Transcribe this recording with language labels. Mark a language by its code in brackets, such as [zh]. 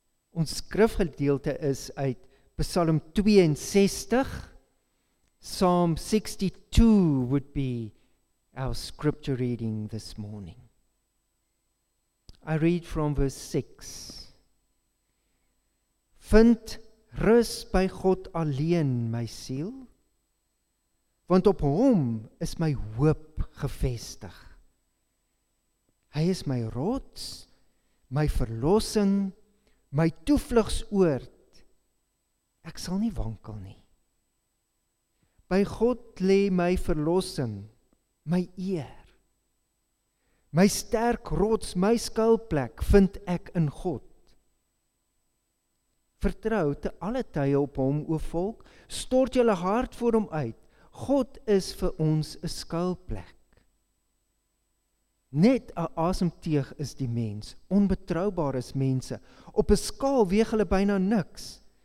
[af] Ons skrifgedeelte is uit Psalm 62. [en] Psalm 62 would be our scripture reading this morning. I read from verse 6. [af] Vind rus by God alleen, my siel, want op Hom is my hoop gevestig. Hy is my rots, my verlossing, my toevlugsoord. Ek sal nie wankel nie. By God lê my verlossing, my eer. My sterk rots, my skuilplek vind ek in God. Vertrou te alle tye op Hom, o volk, stort julle hart voor Hom uit. God is vir ons 'n skuilplek. Net 'n asemteug is die mens, onbetroubaar is mense, op 'n skaal weeg hulle byna niks.